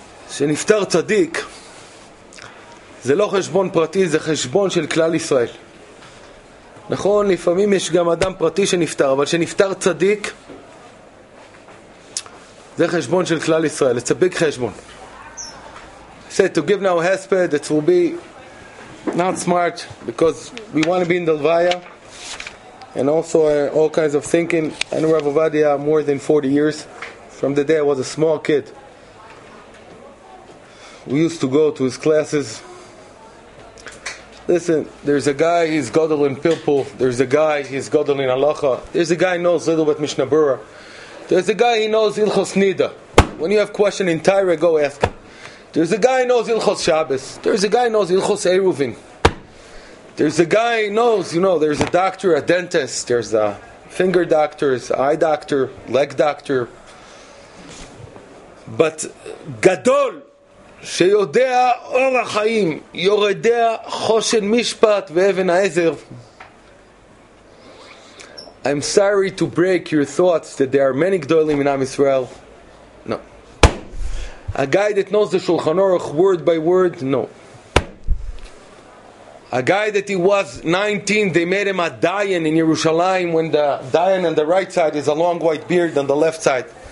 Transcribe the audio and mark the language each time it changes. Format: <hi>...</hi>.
<he>שנפטר צדיק זה לא חשבון פרטי, זה חשבון של כלל ישראל. נכון, לפעמים יש גם אדם פרטי שנפטר, אבל שנפטר צדיק זה חשבון של כלל ישראל.</he> <en>It's a big חשבון. I said to give now a hesped, it will be not smart because we want to be in the Delvaya and also all kinds of thinking. I knew Rav Avadia more than 40 years from the day I was a small kid. We used to go to his classes. Listen, there's a guy, he's gadol in Pilpul. There's a guy, he's gadol in Halacha. There's a guy who knows a little bit Mishnah Berurah. There's a guy, he knows Ilchos Nida. When you have question in Tyre, go ask him. There's a guy who knows Ilchos Shabbos. There's a guy who knows Ilchos Eruvin. There's a guy who knows, you know, there's a doctor, a dentist. There's a finger doctor, eye doctor, leg doctor.</en> <he>But gadol שיודע אור החיים, יורדע חושן משפט ואבן העזר.</he> <en>I'm sorry to break your thoughts that there are many gdolim in Am Yisrael. No. A guy that knows the Shulchan Aruch word by word, no. A guy that he was 19, they made him a dayan in Yerushalayim when the dayan on the right side is a long white beard on the left side.</en>